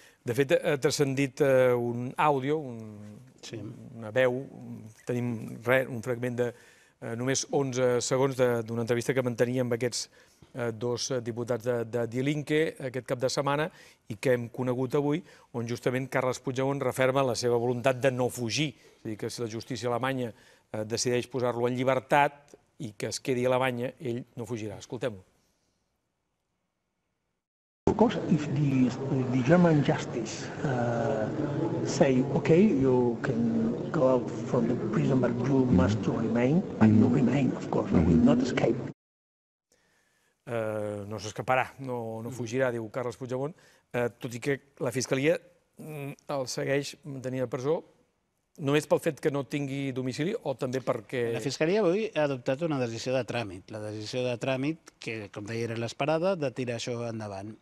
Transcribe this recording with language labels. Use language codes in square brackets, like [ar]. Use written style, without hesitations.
[ca] De fet, ha transcendit un àudio, una veu, tenim un fragment de només 11 segons d'una entrevista que mantenia amb aquests dos diputats de Die Linke aquest cap de setmana i que hem conegut avui, on justament Carles Puigdemont referma la seva voluntat de no fugir, és a dir, que si la justícia alemanya decideix posar-lo en llibertat i que es quedi a Alemanya, ell no fugirà. Escoltem-ho. [en] Because if the German justice say, okay, you can go out from the prison, but you must remain, I will remain, of course, I will not escape. [ca] No s'escaparà, no fugirà, diu Carles Puigdemont, tot i que la Fiscalia el segueix mantenint a presó només pel fet que no tingui domicili o també perquè... La Fiscalia avui ha adoptat una decisió de tràmit. La decisió de tràmit, que, com deia, era l'esperada, de tirar això endavant.